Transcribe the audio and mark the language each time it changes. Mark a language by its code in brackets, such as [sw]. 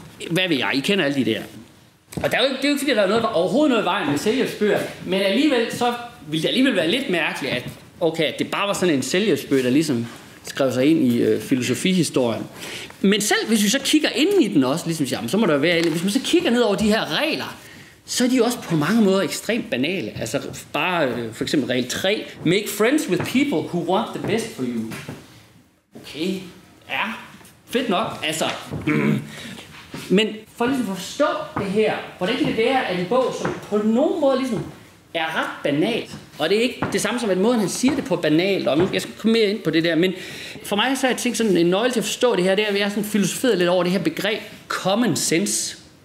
[da] Hvad ved jeg? I kender alle de der. Og der er jo ikke, det er jo ikke, fordi der er noget, overhovedet noget i vejen med selvhjælpsbøger, men alligevel så ville det alligevel være lidt mærkeligt, at okay, det bare var sådan en selvhjælpsbøger, der ligesom skrev sig ind i filosofihistorien. Men selv hvis vi så kigger ind i den også, ligesom siger, så må der være en, hvis man så kigger ned over de her regler, så er de også på mange måder ekstremt banale. Altså bare for eksempel regel 3. [en] Make friends with people who want the best for you. [da] Okay, ja, fedt nok. Altså, men for ligesom at forstå det her, hvordan kan det være, at en bog, som på nogen måde ligesom er ret banalt, og det er ikke det samme som, at måden han siger det på banalt, og nu, jeg skal komme mere ind på det der, men for mig så har jeg tænkt sådan en nøgle til at forstå det her, det er, at jeg har sådan filosoferet lidt over det her begreb, common sense.